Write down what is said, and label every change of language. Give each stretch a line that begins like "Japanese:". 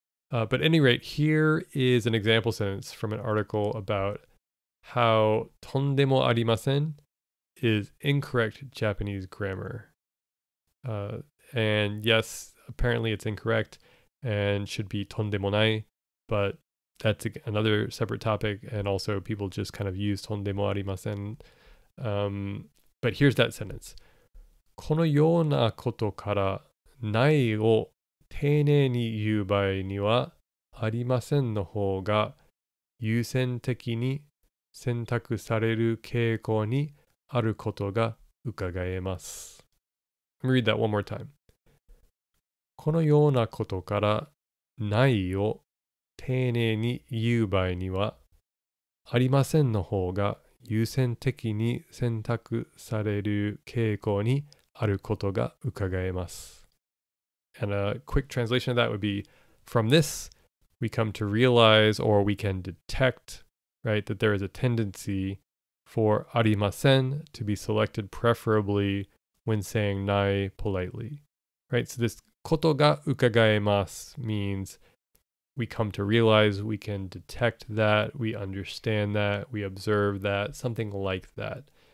English: But at any rate, here is an example sentence from an article about how tondemo arimasen is incorrect Japanese grammar. And yes, apparently it's incorrect and should be tondemonai, but that's another separate topic, and also people just kind of use tondemo arimasen. But here's that sentence.
Japanese: このようなことからないを丁寧に言う場合にはありませんの方が優先的に選択される傾向にあることが伺えます。
English: Let me read that one more time.
Japanese: このようなことからないを丁寧に言う場合にはありませんの方が優先的に選択される傾向にあることが伺えます。
English: And a quick translation of that would be, from this, we come to realize or we can detect, right, that there is a tendency for arimasen to be selected preferably when saying nai politely, right? So this koto ga ukagaemasu means we come to realize, we can detect that, we understand that, we observe that, something like that.